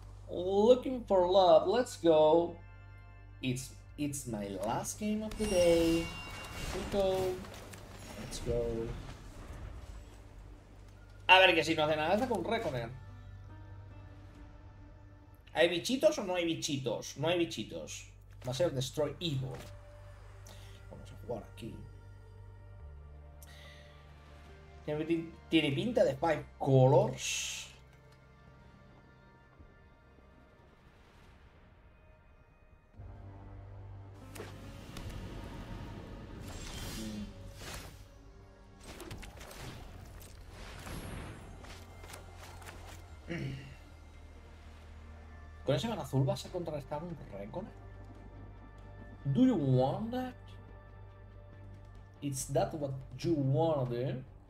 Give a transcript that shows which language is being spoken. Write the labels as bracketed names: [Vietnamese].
[English] Looking for love, let's go. It's my last game of the day. Let's go. [Spanish] A ver que si no hace nada, está con Reckoner. ¿Hay bichitos o no hay bichitos? No hay bichitos. Va a ser Destroy Evil. Vamos a jugar aquí. Tiene pinta de Five Colors. ¿Con ese mana azul vas a contrarrestar un Reckoner? [English] Do you want that? Is that what you want, dude?